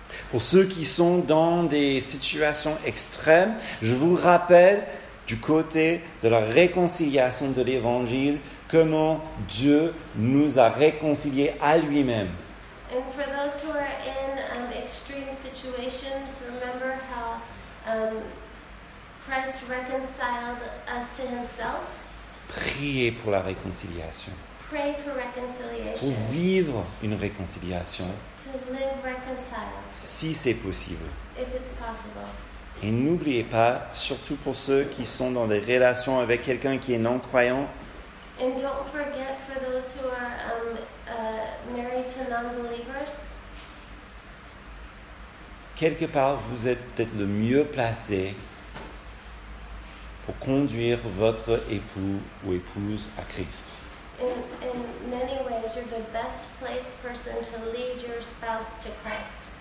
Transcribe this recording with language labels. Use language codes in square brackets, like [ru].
[fr] Pour ceux qui sont dans des situations extrêmes, je vous rappelle du côté de la réconciliation de l'Évangile, comment Dieu nous a réconciliés à lui-même. [en] And for those who are in extreme situations, remember how Christ reconciled us to himself. [fr] Priez pour la réconciliation. [en] Pray for reconciliation. [fr] Pour vivre une réconciliation. [en] To live reconciled. [fr] Si c'est possible. [en] If it's possible. [fr] Et n'oubliez pas, surtout pour ceux qui sont dans des relations avec quelqu'un qui est non-croyant. [en] And don't forget for those who are married to non-believers. [fr] Quelque part, vous êtes peut-être le mieux placé pour conduire votre époux ou épouse à Christ. [en] In many ways, you're the best placed person to lead your spouse to Christ.